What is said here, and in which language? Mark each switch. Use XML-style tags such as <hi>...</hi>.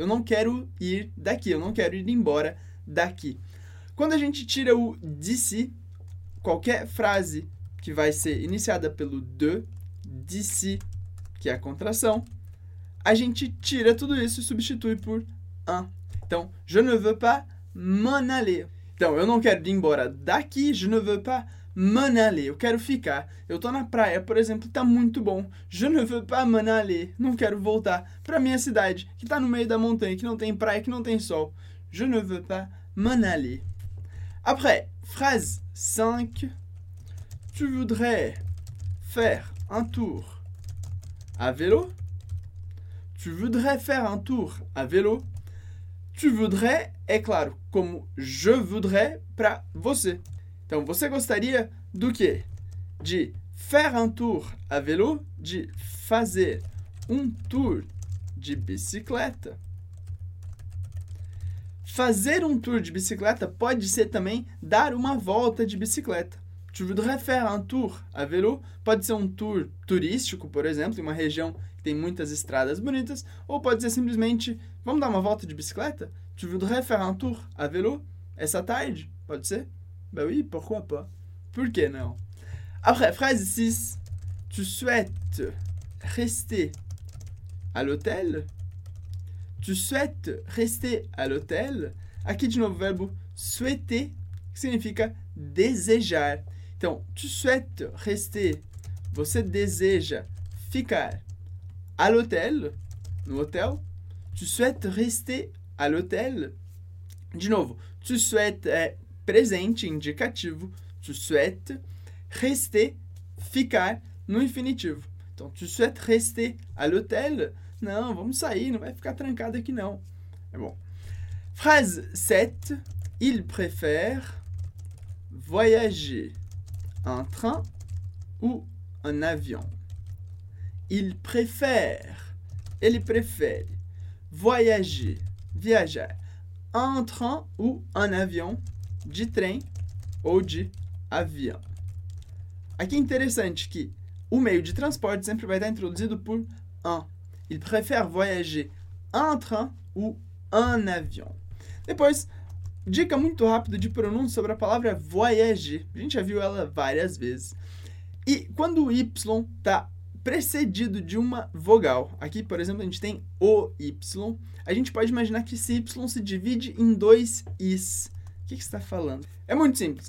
<pt>Eu não quero ir daqui, eu não quero ir embora daqui. Quando a gente tira o d'ici, qualquer frase que vai ser iniciada pelo de, d'ici, que é a contração, a gente tira tudo isso e substitui por un.</pt> <fr>Então, je ne veux pas m'en aller.</fr> <pt>Então, eu não quero ir embora daqui,</pt> <fr>je ne veux pas m'en aller.</fr> <pt>Eu quero ficar. Eu tô na praia, por exemplo, tá muito bom.</pt> <fr>Je ne veux pas m'en aller.</fr> <pt>Não quero voltar pra minha cidade, que tá no meio da montanha, que não tem praia, que não tem sol.</pt> <fr>Je ne veux pas m'en aller. Après, phrase 5. Tu voudrais faire un tour à vélo? Tu voudrais faire un tour à vélo? Tu voudrais</fr> <pt>é claro, como</pt> <fr>je voudrais</fr> <pt>pra você. Então, você gostaria do quê?</pt> <fr>De faire un tour à vélo,</fr> <pt>de fazer um tour de bicicleta. Fazer um tour de bicicleta pode ser também dar uma volta de bicicleta.</pt> <fr>Tu voudrais faire un tour à vélo?</fr> <pt>Pode ser um tour turístico, por exemplo, em uma região que tem muitas estradas bonitas. Ou pode ser simplesmente, vamos dar uma volta de bicicleta?</pt> <fr>Tu voudrais faire un tour à vélo?</fr> <pt>Essa tarde? Pode ser?</pt> <fr>Ben oui, pourquoi pas?</fr> <pt>Por que não?</pt> <fr>Après, phrase 6. Tu souhaites rester à l'hôtel? Tu souhaites rester à l'hôtel?</fr> <pt>Aqui de novo o verbo souhaiter, que significa desejar. Então,</pt> <fr>tu souhaites rester,</fr> <pt>você deseja ficar</pt> <fr>à l'hôtel,</fr> <pt>no hôtel.</pt> <fr>Tu souhaites rester à l'hôtel.</fr> <pt>De novo,</pt> <fr>tu souhaites</fr> <pt>é presente, indicativo.</pt> <fr>Tu souhaites rester,</fr> <pt>ficar, no infinitivo.</pt> <fr>Então, tu souhaites rester à l'hôtel.</fr> <pt>Não, vamos sair, não vai ficar trancado aqui não. É bom. Phrase 7.</pt> <fr>Il préfère voyager en train ou en avion. Il préfère,</fr> <pt>ele prefere voyager, viajar</pt> <fr>en train ou en avion,</fr> <pt>de trem ou de avião. Aqui é interessante que o meio de transporte sempre vai estar introduzido por un.</pt> <fr>Il préfère voyager en train ou en avion.</fr> <pt>Depois, dica muito rápida de pronúncia sobre a palavra voyager. A gente já viu ela várias vezes. E quando o Y está precedido de uma vogal, aqui, por exemplo, a gente tem o Y, a gente pode imaginar que esse Y se divide em dois Is. O que você está falando? É muito simples.</pt>